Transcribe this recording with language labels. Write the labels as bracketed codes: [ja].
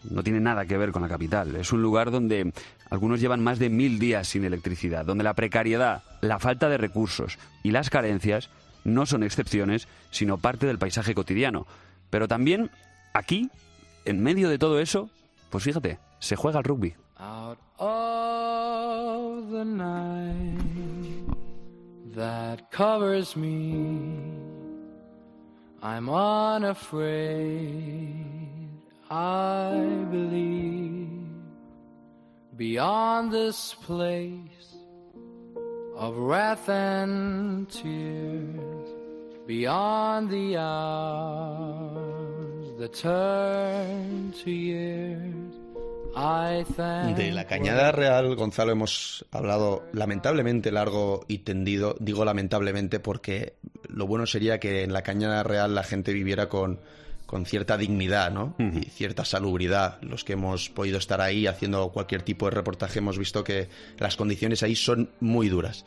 [es] No tiene nada que ver con la capital. Es un lugar donde algunos llevan más de 1000 días sin electricidad, donde la precariedad, la falta de recursos y las carencias no son excepciones, sino parte del paisaje cotidiano. Pero también, aquí, en medio de todo eso, pues fíjate, se juega al rugby. [en] Out of the night that covers me, I'm unafraid, I believe, beyond this place of wrath and tears, beyond the hours that turn to years. [es] De la Cañada Real, Gonzalo, hemos hablado lamentablemente largo y tendido. Digo lamentablemente porque lo bueno sería que en la Cañada Real la gente viviera con cierta dignidad, ¿no? Uh-huh. Y cierta salubridad. Los que hemos podido estar ahí haciendo cualquier tipo de reportaje hemos visto que las condiciones ahí son muy duras.